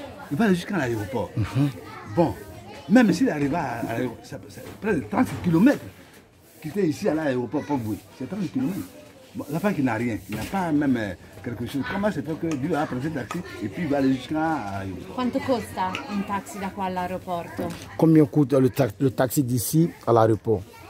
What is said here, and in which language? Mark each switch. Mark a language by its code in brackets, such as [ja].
[fr] Il va aller jusqu'à l'aéroport. Bon, même s'il arrive à l'aéroport, c'est près de 30 km qu'il était ici à l'aéroport pour vous. C'est 30 km. Bon, l'enfant qui n'a rien, il n'a pas même quelque chose. Comment c'est fait que Dieu a pris un taxi et puis il va aller jusqu'à l'aéroport? [it] Quanto costa un taxi da qua all'aeroporto? [fr] Combien coûte le taxi d'ici à l'aéroport?